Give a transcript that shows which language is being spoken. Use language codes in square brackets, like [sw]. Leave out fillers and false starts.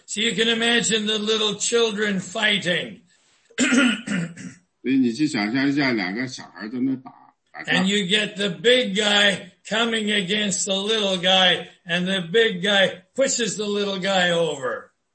[en] So you can imagine the little children fighting. [zh] 所以你去想象一下，两个小孩在那打。 [en] And you get the big guy coming against the little guy, and the big guy pushes the little guy over.